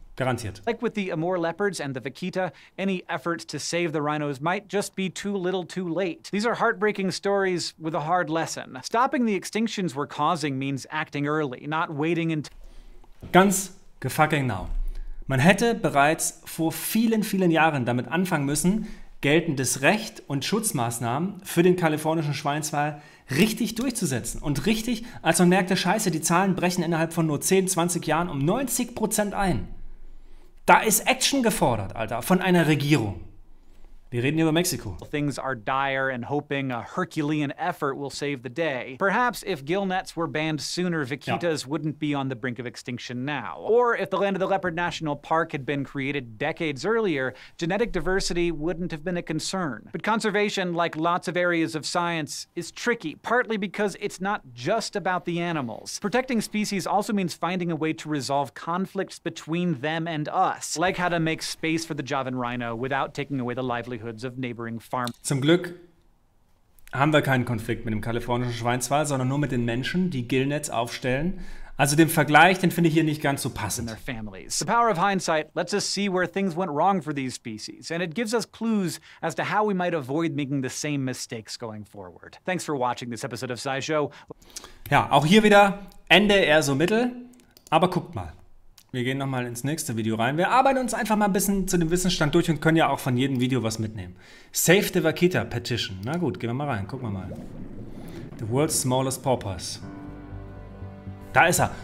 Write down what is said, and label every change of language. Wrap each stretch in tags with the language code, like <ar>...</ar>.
<de>Garantiert.</de> <en>Like with the Amur leopards and the vaquita, any efforts to save the rhinos might just be too little too late. These are heartbreaking stories with a hard lesson. Stopping the extinctions we're causing means acting early, not waiting until...</en> <de>Ganz gefucking now. Man hätte bereits vor vielen, vielen Jahren damit anfangen müssen, geltendes Recht und Schutzmaßnahmen für den kalifornischen Schweinswal richtig durchzusetzen. Und richtig, als man merkte, scheiße, die Zahlen brechen innerhalb von nur 10, 20 Jahren um 90% ein. Da ist Action gefordert, Alter, von einer Regierung. Wir reden hier über Mexiko.</de> <en>Things are dire and hoping a Herculean effort will save the day. Perhaps if gill nets were banned sooner, vaquitas wouldn't be on the brink of extinction now. Or if the Land of the Leopard National Park had been created decades earlier, genetic diversity wouldn't have been a concern. But conservation, like lots of areas of science, is tricky, partly because it's not just about the animals. Protecting species also means finding a way to resolve conflicts between them and us, like how to make space for the Javan rhino without taking away the livelihood of neighboring farmers.</en> <de>Zum Glück haben wir keinen Konflikt mit dem kalifornischen Schweinswal, sondern nur mit den Menschen, die Gillnets aufstellen. Also den Vergleich, den finde ich hier nicht ganz so passend.</de> <en>The power of hindsight lets us see where things went wrong for these species and it gives us clues as to how we might avoid making the same mistakes going forward. Thanks for watching this episode of SciShow.</en> <de>Ja, auch hier wieder Ende eher so mittel, aber guckt mal. Wir gehen nochmal ins nächste Video rein. Wir arbeiten uns einfach mal ein bisschen zu dem Wissensstand durch und können ja auch von jedem Video was mitnehmen. Save the Vaquita Petition. Na gut, gehen wir mal rein. Gucken wir mal. The World's Smallest Porpoise. Da ist er.</de>